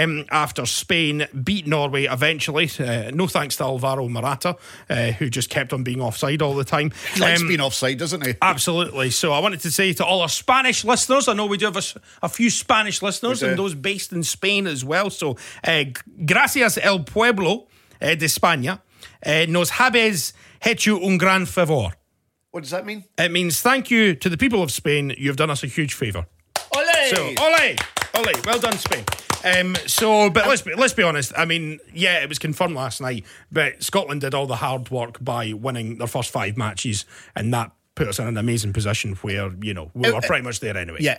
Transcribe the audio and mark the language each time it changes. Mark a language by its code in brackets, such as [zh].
[en] After Spain beat Norway eventually. No thanks to Alvaro Morata, who just kept on being offside all the time. He likes being offside, doesn't he? Absolutely. So I wanted to say to all our Spanish listeners, I know we do have a few Spanish listeners and those based in Spain as well. So [es] gracias el pueblo de España. Nos habéis hecho un gran favor. [en] What does that mean? It means thank you to the people of Spain. You've done us a huge favor. [es] Ole! [en] So, ole! Ole! Well done, Spain. Let's be honest. I mean, it was confirmed last night, but Scotland did all the hard work by winning their first five matches, and that put us in an amazing position where, you know, we were pretty much there anyway.